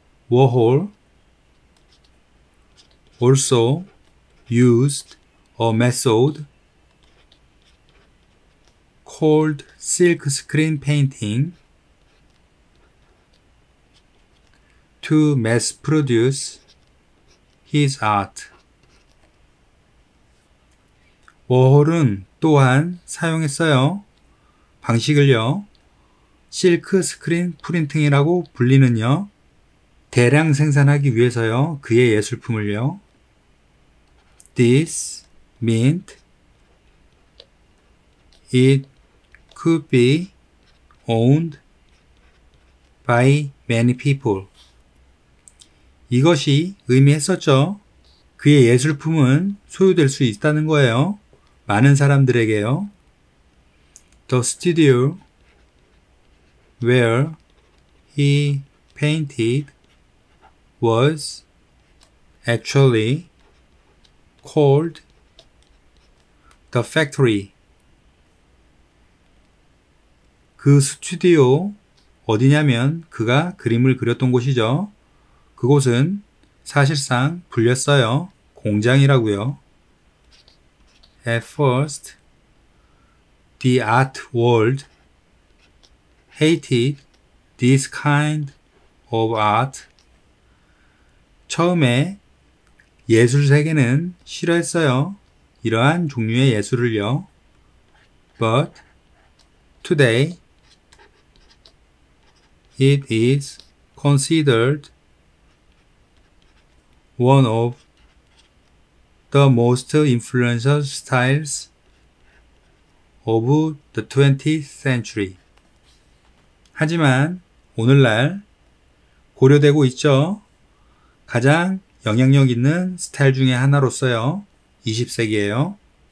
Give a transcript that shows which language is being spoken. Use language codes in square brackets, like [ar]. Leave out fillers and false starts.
[en] Warhol also used a method called silk screen painting to mass produce his art. [ko] 워홀은 또한 사용했어요. 방식을요. 실크 스크린 프린팅이라고 불리는요. 대량 생산하기 위해서요. 그의 예술품을요. [en] This meant it could be owned by many people. [ko] 이것이 의미했었죠. 그의 예술품은 소유될 수 있다는 거예요. 많은 사람들에게요. [en] The studio where he painted was actually called The Factory. [ko] 그 스튜디오 어디냐면 그가 그림을 그렸던 곳이죠. 그곳은 사실상 불렸어요. 공장이라고요. [en] At first, the art world hated this kind of art. [ko] 처음에 예술 세계는 싫어했어요. 이러한 종류의 예술을요. [en] But today, it is considered one of the most influential styles of the 20th century. [ko] 하지만 오늘날 고려되고 있죠. 가장 영향력 있는 스타일 중에 하나로서요. 20세기에요.